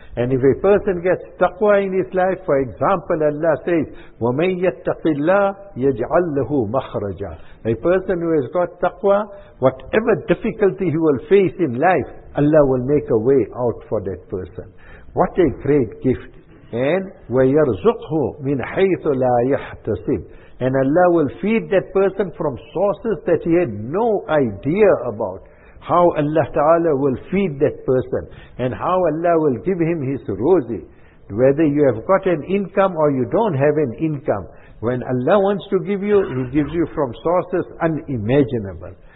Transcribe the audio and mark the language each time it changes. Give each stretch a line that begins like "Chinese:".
English: And if a person gets taqwa in his life, for example, Allah says,
Arabic: وَمَنْ يَتَّقِ اللَّهِ يَجْعَلْ لَهُ مَخْرَجًا.
English: A person who has got taqwa, whatever difficulty he will face in life, Allah will make a way out for that person. What a great gift. And
Arabic: وَيَرْزُقْهُ مِنْ حَيْثُ لَا يَحْتَسِبْ.
English: And Allah will feed that person from sources that he had no idea about. How Allah Ta'ala will feed that person. And how Allah will give him his rozi. Whether you have got an income or you don't have an income. When Allah wants to give you, he gives you from sources unimaginable.